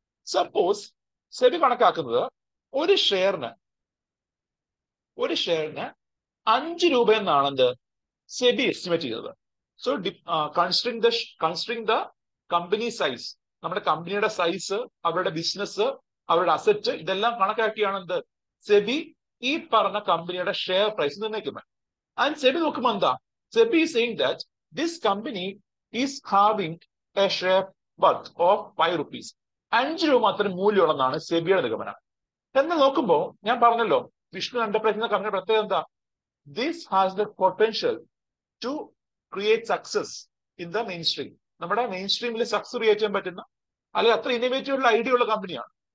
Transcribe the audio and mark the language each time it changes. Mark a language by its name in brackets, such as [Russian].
[Malayalam] Suppose SEBI കണക്കാക്കുന്നത് ഒരു ഷെയറിന്, ഒരു ഷെയറിന് 5 രൂപ എന്നാണെന്ന് സെബി എസ്റ്റിമേറ്റ് ചെയ്തത്. [English] so considering the company size, [Malayalam] നമ്മുടെ കമ്പനിയുടെ സൈസ്, അവരുടെ ബിസിനസ്, അവരുടെ അസറ്റ്, ഇതെല്ലാം കണക്കാക്കിയാണെന്ത് സെബി ഈ പറഞ്ഞ കമ്പനിയുടെ ഷെയർ പ്രൈസ് നിർണ്ണയിക്കുന്നത്. ആൻഡ് സെബി നോക്കുമ്പോൾ എന്താ? [English] SEBI is saying that this company is having a share worth of 5 rupees. [Malayalam] 5 രൂപ മാത്രമേ മൂല്യമുള്ളതാണ് സെബിയുടെ നിഗമനം. എന്ന് നോക്കുമ്പോൾ ഞാൻ പറഞ്ഞല്ലോ വിഷ്ണു എന്റർപ്രൈസ് എന്ന കമ്പനിയുടെ പ്രത്യേകത എന്താ? [English] This has the potential to create success in the main stream. [Malayalam] നമ്മുടെ മെയിൻ സ്ട്രീമിൽ സക്സസ് ക്രിയേറ്റ് ചെയ്യാൻ പറ്റുന്ന, അല്ലെങ്കിൽ അത്ര ഇന്നോവേറ്റീവ് ഉള്ള ഐഡിയ ഉള്ള കമ്പനിയാണ്.